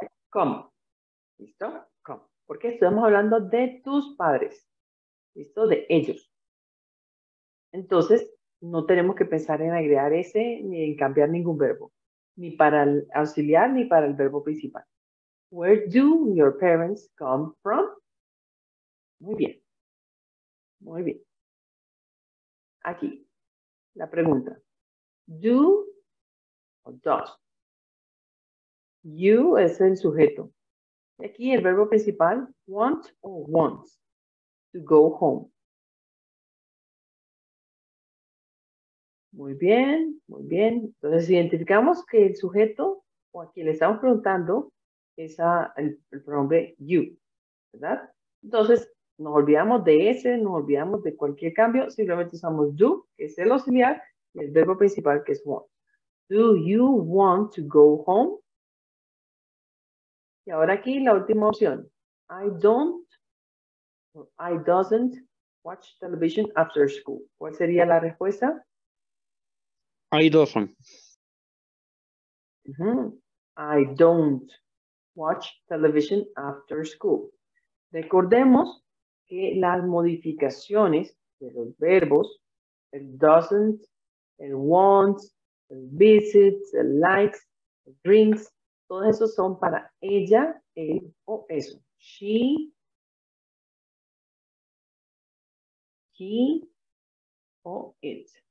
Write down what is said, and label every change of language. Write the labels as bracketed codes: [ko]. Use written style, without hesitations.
[en] Come. [es] ¿Listo? [en] Come. [es] Porque estamos hablando de tus padres. ¿Listo? De ellos. Entonces, no tenemos que pensar en agregar ese ni en cambiar ningún verbo. ni para el auxiliar ni para el verbo principal. [en] Where do your parents come from? [es] Muy bien. Muy bien. Aquí, la pregunta. Do o does? You es el sujeto. Y aquí el verbo principal, [en] want or wants, to go home. [es] Muy bien, muy bien. Entonces, identificamos que el sujeto o a quien le estamos preguntando es el pronombre you, ¿verdad? Entonces, nos olvidamos de ese, nos olvidamos de cualquier cambio, simplemente usamos do, que es el auxiliar, y el verbo principal, que es want. [en] Do you want to go home? [es] Y ahora aquí la última opción. [en] I don't, or I doesn't watch television after school. [es] ¿Cuál sería la respuesta? [en] I doesn't. I don't watch television after school. [es] Recordemos que las modificaciones de los verbos, el doesn't, el wants, el visits, el likes, el drinks, todos esos son para ella, él o eso. [en] She, he o it.